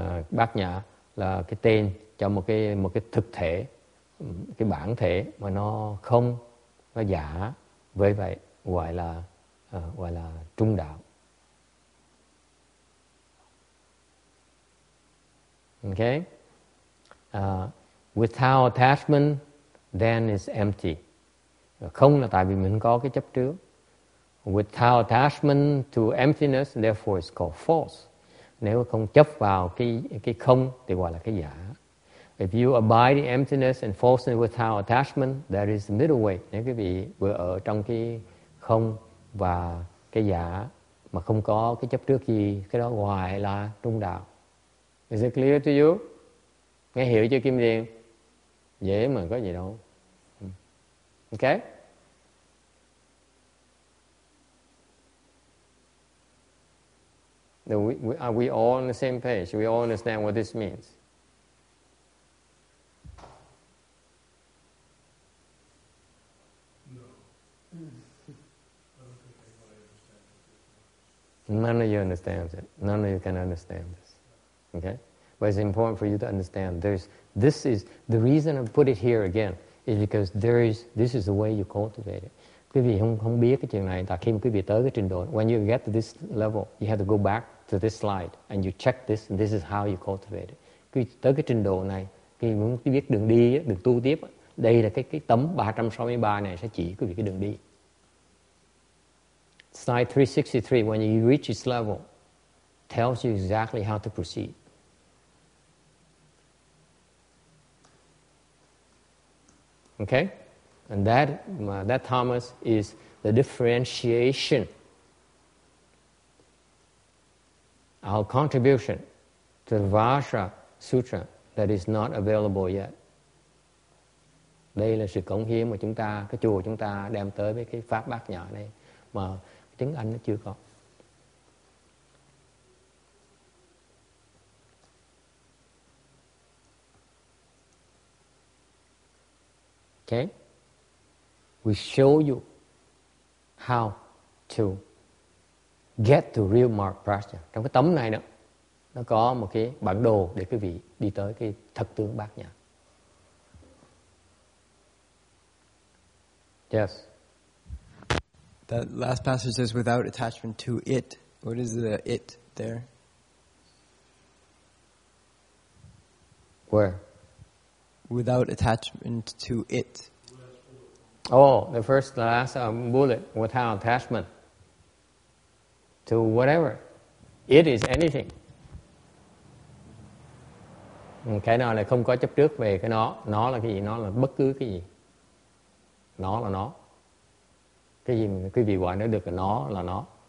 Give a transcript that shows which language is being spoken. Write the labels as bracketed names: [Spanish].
[Vietnamese] Bát nhã là cái tên cho một cái thực thể, cái bản thể mà nó không, nó giả, với vậy gọi là trung đạo. [English] Okay. Without attachment, then it's empty. [Vietnamese] Không là tại vì mình có cái chấp trước. [English] Without attachment to emptiness, therefore it's called false. [Vietnamese] Nếu không chấp vào cái không thì gọi là cái giả. [English] If you abide in emptiness and falseness without attachment, that is the middle way. [Vietnamese] Nếu quý vị vừa ở trong cái không và cái giả mà không có cái chấp trước gì, cái đó gọi là trung đạo. [English] Is it clear to you? [Vietnamese] Nghe hiểu chưa Kim Điền? Dễ mà, có gì đâu. Ok. [English] Are we all on the same page? We all understand what this means? None of you understands it. None of you can understand this. Okay? But it's important for you to understand. This is the reason I put it here again is because this is the way you cultivate it. [Vietnamese] Quý vị không biết cái chuyện này, tại khi quý vị tới cái trình độ, [English] when you get to this level, you have to go back to this slide and you check this, and this is how you cultivate it. [Vietnamese] Quý vị tới cái trình độ này, khi muốn biết đường đi, đường tu tiếp, đây là cái tấm 363 này sẽ chỉ quý vị cái đường đi. [English] Slide 363, when you reach this level, tells you exactly how to proceed. Okay? And that Thomas, is the differentiation, our contribution to the Vajra Sutra that is not available yet. [Vietnamese] Đây là sự cống hiến mà chúng ta, cái chùa chúng ta đem tới với cái pháp bát nhã này mà tiếng Anh nó chưa có. [English] Okay, we show you how to get to real mark prajna. [Vietnamese] Trong cái tấm này đó, nó có một cái bản đồ để quý vị đi tới cái thật tướng bát nhã. [English] Yes. That last passage says without attachment to it. What is the it there? Where? Without attachment to it. Oh, the first, the last bullet, without attachment to whatever. It is anything. [Vietnamese] Cái nó là không có chấp trước về cái nó. Nó là cái gì? Nó là bất cứ cái gì. Nó là nó. Cái gì mà quý vị gọi nó được là nó.